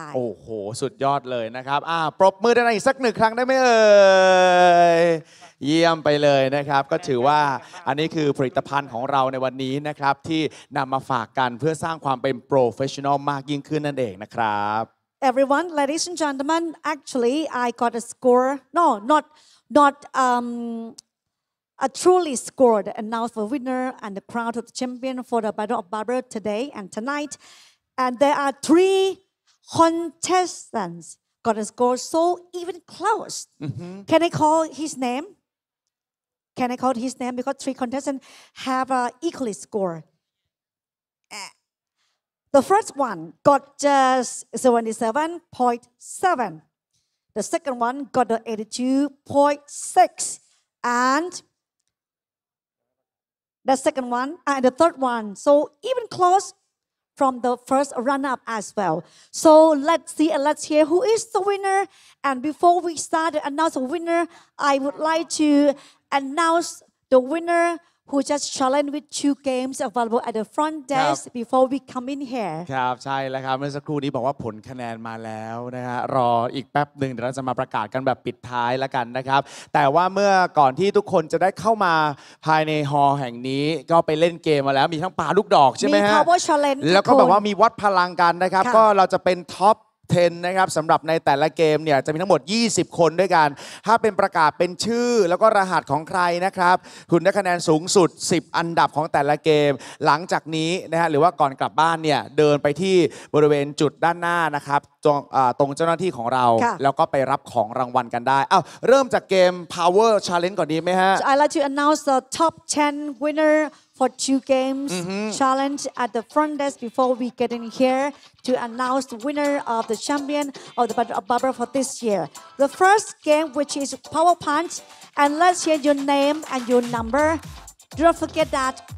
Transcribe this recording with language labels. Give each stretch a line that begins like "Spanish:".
Thai: โอ้โหสุดยอดเลยนะครับปรบมือได้อีกสักหนึ่งครั้งได้ไหมเอ่ยเยี่ยมไปเลยนะครับก็ถือว่าอันนี้คือผลิตภัณฑ์ของเราในวันนี้นะครับที่นำมาฝากกันเพื่อสร้างความเป็นโปรเฟชชั่นอลมากยิ่งขึ้นนั่นเองนะครับ
English: everyone, ladies and gentlemen, actually I got a score. No, not a truly scored announced for winner and the crown of the champion for the Battle of Barber today and tonight. And there are three contestants got a score so even close. Mm-hmm. Can I call his name? Can I call his name? Because three contestants have an equally score. The first one got just 77.7. The second one got the 82.6. And the second one and the third one. So even close from the first runner-up as well. So let's see and let's hear who is the winner. And before we start to announce the winner, I would like to announce the winner who just challenged with two games available at the front desk before we come in here.
Thai: ครับใช่แล้วครับเมื่อสักครู่นี้บอกว่าผลคะแนนมาแล้วนะฮะรออีกแป๊บหนึ่งเดี๋ยวเราจะมาประกาศกันแบบปิดท้ายแล้วกันนะครับแต่ว่าเมื่อก่อนที่ทุกคนจะได้เข้ามาภายในฮอแห่งนี้ก็ไปเล่นเกมมาแล้วมีทั้งปาลูกดอกใช่ไหมฮะ มี power challenge แล้วก็แบบว่ามีวัดพลังกันนะครับก็เราจะเป็นท็อป10นะครับสำหรับในแต่ละเกมเนี่ยจะมีทั้งหมด20คนด้วยกันถ้าเป็นประกาศเป็นชื่อแล้วก็รหัสของใครนะครับคุณได้คะแนนสูงสุด10อันดับของแต่ละเกมหลังจากนี้นะฮะหรือว่าก่อนกลับบ้านเนี่ยเดินไปที่บริเวณจุดด้านหน้านะครับตรงเจ้าหน้าที่ของเราแล้วก็ไปรับของรางวัลกันได้เอ้าเริ่มจากเกม Power Challenge ก่อนดีมั้ยฮะ
English: I like to announce the top 10 winnerFor two games challenge at the front desk before we get in here to announce the winner of the champion of the Battle of Barber for this year. The first game, which is Power Punch, and let's hear your name and your number. Don't forget that.